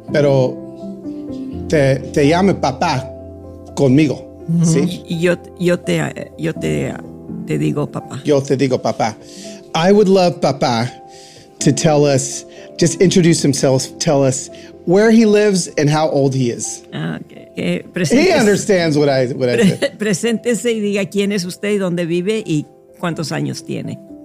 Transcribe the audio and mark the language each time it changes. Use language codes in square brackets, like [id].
[es] pero te llame papá conmigo, mm-hmm. ¿Sí? Yo te digo papá. Yo te digo papá. [en] I would love papá to tell us, just introduce himself, tell us where he lives and how old he is. Okay. He understands what I said. [es] Preséntese y diga quién es usted y dónde vive y cuántos años tiene.